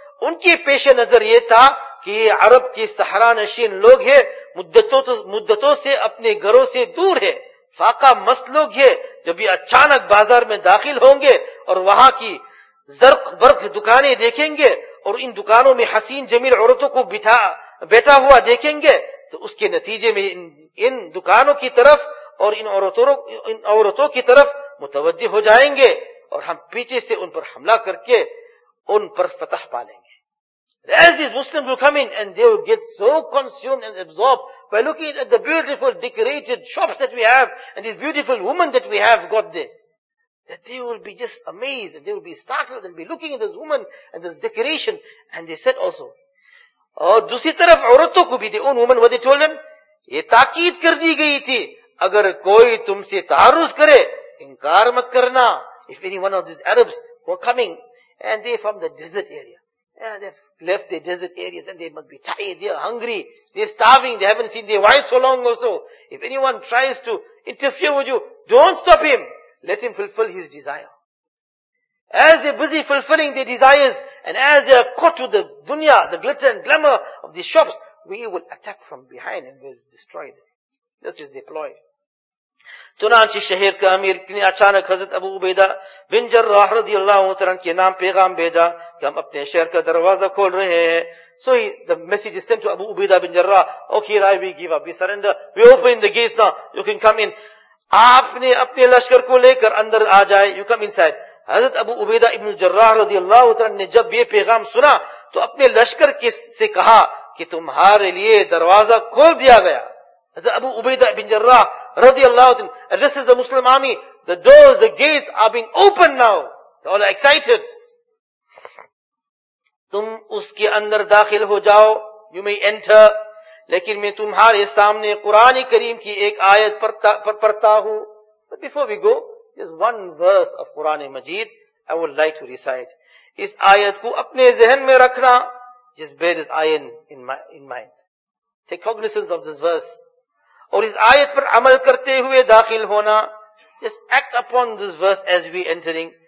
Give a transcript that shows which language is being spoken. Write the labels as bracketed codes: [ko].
[ur] ان کے پیش نظر یہ تھا کہ یہ عرب کے صحرا نشین لوگ ہیں، مدتوں سے اپنے گھروں سے دور ہے، فاقہ مست لوگ ہیں، جب یہ اچانک بازار میں داخل ہوں گے اور وہاں کی زرق برق دکانیں دیکھیں گے اور ان دکانوں میں حسین جمیل عورتوں کو بیٹھا ہوا دیکھیں گے، تو اس کے نتیجے میں ان دکانوں کی طرف اور ان عورتوں کی طرف متوجہ ہو جائیں گے اور ہم پیچھے سے ان پر حملہ کر کے ان پر فتح پالیں گے. [en] As these Muslims will come in and they will get so consumed and absorbed by looking at the beautiful decorated shops that we have and these beautiful women that we have got there, that they will be just amazed and they will be startled and be looking at this woman and this decoration. And they said also, [ur] اور دوسری طرف عورتوں کو بھی دے [en] and women ودی told them, [ur] یہ تاکید کر دی گئی تھی اگر کوئی تم سے تعرض کرے انکار مت کرنا. [en] If any one of these Arabs were coming and they from the desert area and they left their desert areas and they must be tired, they are hungry, they are starving, they haven't seen their wife so long or so, if anyone tries to interfere with you, don't stop him, let him fulfill his desire. As they're busy fulfilling their desires, and as they are caught with the dunya, the glitter and glamour of the shops, we will attack from behind and we'll destroy them. This is the ploy. [ur] چنانچہ شہر کا امیر نے اچانک حضرت ابو عبیدہ بن جراح رضی اللہ عنہ کے نام پیغام بھیجا کہ ہم اپنے شہر کا دروازہ کھول رہے ہیں. [en] So the message is sent to Abu Ubaidah bin Jarrah. Okay, right, we give up, we surrender, we open the gates now, you can come in. [ur] آپ نے اپنے لشکر کو لے کر اندر آ جائے, [en] you come inside. [ur] حضرت ابو عبیدہ ابن الجراح رضی اللہ عنہ نے جب یہ پیغام سنا تو اپنے لشکر سے کہا کہ تمہارے لیے دروازہ کھول دیا گیا. [en] حضرت Abu Ubaidah Ibn Jarrah رضی اللہ عنہ addresses the Muslim army, the doors, the gates are being opened now. They all are excited. [ur] تم اس کے اندر داخل ہو جاؤ, [en] you may enter, [ur] لیکن میں تمہارے سامنے قرآن کریم کی ایک آیت پڑھتا ہوں. [en] But before we go, just one verse of Quran Majeed I would like to recite. [ur] Is ayat ko apne zehen mein rakhna, [en] just bear this ayat in mind, take cognizance of this verse, [ur] aur is ayat par amal karte hue dakhil hona, [en] just act upon this verse as we entering.